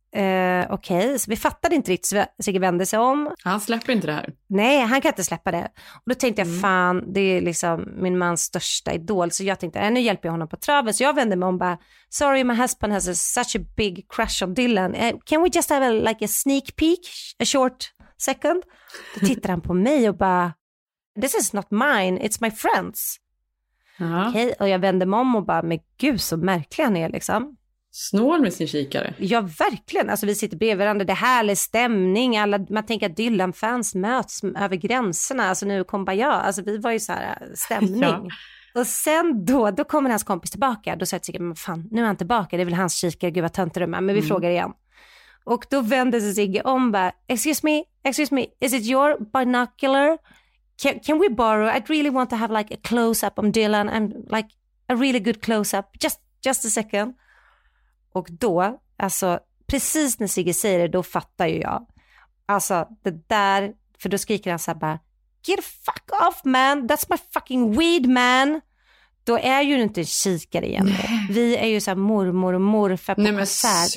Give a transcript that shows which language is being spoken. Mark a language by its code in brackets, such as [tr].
[sv] Okej, okay. Så vi fattade inte riktigt, så Sigge vände sig om. Han släpper inte det här. Nej, han kan inte släppa det. Och då tänkte jag, fan, det är liksom min mans största idol. Så jag tänkte, nu hjälper jag honom på traven. Så jag vände mig om bara, [en] sorry, my husband has such a big crush on Dylan. Can we just have like a sneak peek, a short second? [sv] Då tittar han på mig och bara, [en] this is not mine, it's my friends. [sv] Okej, okay. Och jag vände mig om och bara, men gud, så märklig han är liksom. Snål med sin kikare. Ja, verkligen. Alltså, vi sitter bredvid varandra. Det här är stämning. Alla, man tänker att Dylan-fans möts över gränserna. Alltså, nu kom bara jag. Alltså, vi var ju så här, stämning. Ja. Och sen då kommer hans kompis tillbaka. Då säger jag till Sigge, fan, nu är han tillbaka. Det är väl hans kikare. Gud, vad tönt det är. Men vi frågar igen. Och då vänder sig Sigge om. [en] Excuse me, is it your binocular? Can we borrow? I'd really want to have like a close-up on Dylan. And like a really good close-up. Just a second. [sv] Och då, alltså precis när Sigge säger det, då fattar ju jag. Alltså det där, för då skriker han så bara, [en] get the fuck off man, that's my fucking weed man. [sv] Då är ju inte en kikare igen. Vi är ju så här mormor och morfar på konsert.